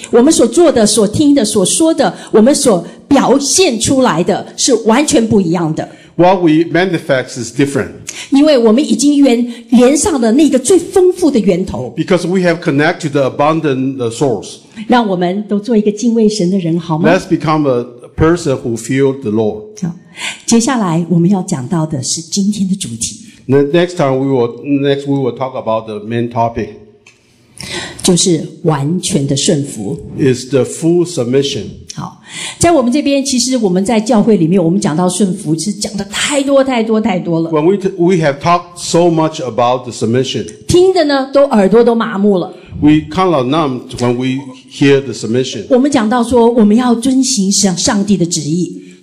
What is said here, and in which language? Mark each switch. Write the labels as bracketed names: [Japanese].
[Chinese] 我们所做的、所听的、所说的、我们所表现出来的是完全不一样的。 [English] What we manifest is different. [Chinese] 因为我们已经连上了那个最丰富的源头。 [English] Because we have connected the abundant source. [Chinese] 让我们都做一个敬畏神的人好吗？ [English] Let's become a person who feared the Lord. [Chinese] 接下来我们要讲到的是今天的主题。 [English] Next we will talk about the main topic. [Chinese] 就是完全的顺服。 [English] Is the full submission. [Chinese] 好，在我们这边，其实我们在教会里面，我们讲到顺服是讲的太多太多太多了。 [English] When we have talked so much about the submission, [Chinese] 听的呢都耳朵都麻木了。 [English] We kind of numbed when we hear the submission. [Chinese] 我们讲到说我们要遵行上帝的旨意。